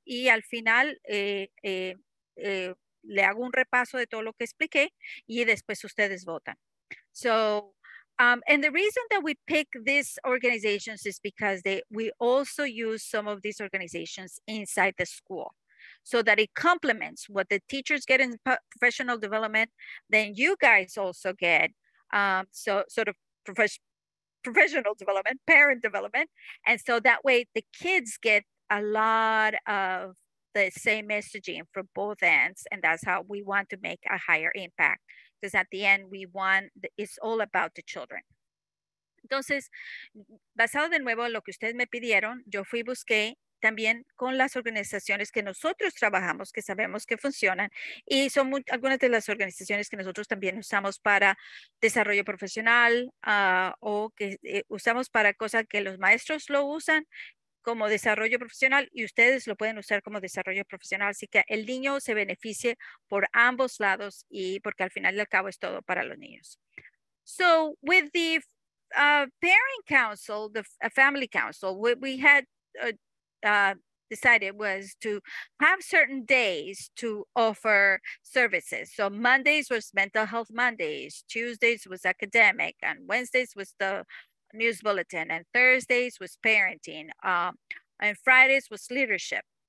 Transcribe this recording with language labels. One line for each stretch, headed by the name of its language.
Spanish: Y al final, le hago un repaso de todo lo que expliqué. Y después ustedes votan.
English: So, and the reason that we pick these organizations is because we also use some of these organizations inside the school. So that it complements what the teachers get in professional development, then you guys also get professional development, parent development. And so that way the kids get a lot of the same messaging from both ends. And that's how we want to make a higher impact. Because at the end we want, it's all about the children.
Spanish: Entonces, basado de nuevo en lo que ustedes me pidieron, yo fui busqué también con las organizaciones que nosotros trabajamos, que sabemos que funcionan, y son algunas de las organizaciones que nosotros también usamos para desarrollo profesional o que usamos para cosas que los maestros lo usan como desarrollo profesional y ustedes lo pueden usar como desarrollo profesional. Así que el niño se beneficie por ambos lados y porque al final y al cabo es todo para los niños.
English: So, with the parent council, the family council, we had decided was to have certain days to offer services. So Mondays was Mental Health Mondays, Tuesdays was academic, and Wednesdays was the news bulletin, and Thursdays was parenting, and Fridays was leadership.